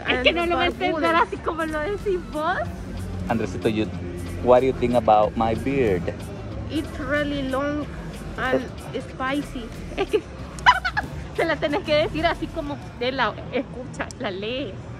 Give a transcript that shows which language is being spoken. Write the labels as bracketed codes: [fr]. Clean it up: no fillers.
[es] Es que no lo voy a entender así como lo decís vos. [en] Andresito, you, what do you think about my beard? It's really long and spicy. [es] Es que se la tenés que decir así como de la escucha, la lee.